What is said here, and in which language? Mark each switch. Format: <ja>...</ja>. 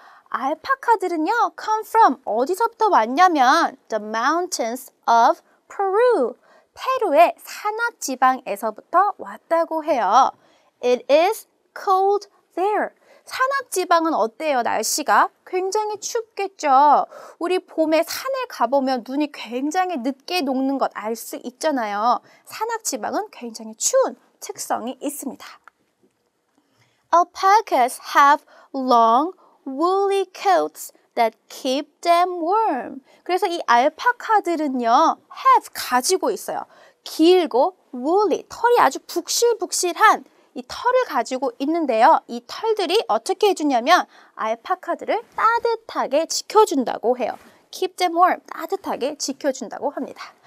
<ko>알파카들은요,</ko> <en>come from,</en> <ko>어디서부터 왔냐면</ko> <en>the mountains of Peru,</en> <ko>페루의 산악지방에서부터 왔다고 해요.</ko> <en>It is cold there.</en> <ko>산악 지방은 어때요? 날씨가 굉장히 춥겠죠. 우리 봄에 산에 가보면 눈이 굉장히 늦게 녹는 것 알 수 있잖아요. 산악 지방은 굉장히 추운 특성이 있습니다.</ko> <en>Alpacas have long woolly coats that keep them warm.</en> <ko>그래서 이 알파카들은요, have 가지고 있어요. 길고 woolly, 털이 아주 북실북실한 이 털을 가지고 있는데요. 이 털들이 어떻게 해주냐면 알파카들을 따뜻하게 지켜준다고 해요.</ko> <en>Keep them warm,</en> <ko>따뜻하게 지켜준다고 합니다.</ko>